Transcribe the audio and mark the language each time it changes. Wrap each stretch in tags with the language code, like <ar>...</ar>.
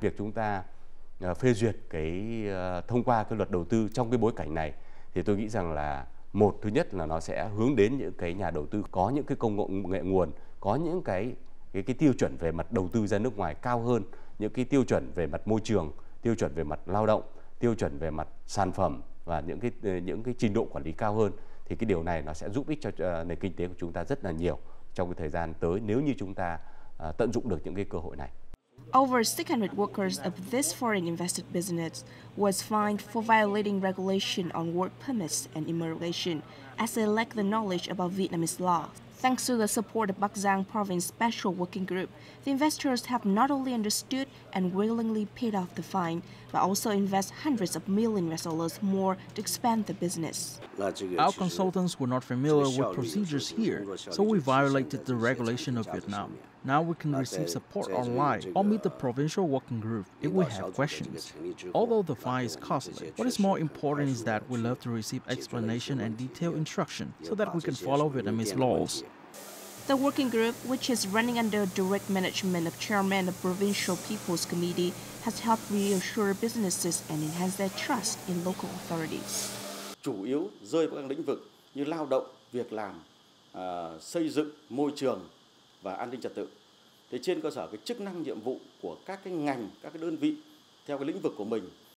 <vi>Việc chúng ta phê duyệt cái thông qua cái luật đầu tư trong cái bối cảnh này thì tôi nghĩ rằng là một, thứ nhất là nó sẽ hướng đến những cái nhà đầu tư có những cái công nghệ nguồn, có những cái tiêu chuẩn về mặt đầu tư ra nước ngoài cao hơn những cái tiêu chuẩn về mặt môi trường, tiêu chuẩn về mặt lao động, tiêu chuẩn về mặt sản phẩm và những cái trình độ quản lý cao hơn, thì cái điều này nó sẽ giúp ích cho nền kinh tế của chúng ta rất là nhiều trong cái thời gian tới nếu như chúng ta tận dụng được những cái cơ hội này.</vi> <en>Over 600 workers of this foreign invested business was fined for violating regulation on work permits and immigration as they lack the knowledge about Vietnamese law. Thanks to the support of Bắc Giang Province Special Working Group, the investors have not only understood and willingly paid off the fine, but also invest hundreds of million US dollars more to expand the business. Our consultants were not familiar with procedures here, so we violated the regulation of Vietnam. Now we can receive support online or meet the provincial working group if we have questions. Although the fine is costly, what is more important is that we love to receive explanation and detailed instruction so that we can follow Vietnamese laws. The working group, which is running under direct management of Chairman of Provincial People's Committee, has helped reassure businesses and enhance their trust in local authorities.</en> <vi>Chủ yếu rơi vào các lĩnh vực như lao động, việc làm, xây dựng, môi trường và an ninh trật tự. Thì trên cơ sở cái chức năng nhiệm vụ của các cái ngành, các cái đơn vị theo cái lĩnh vực của mình.</vi>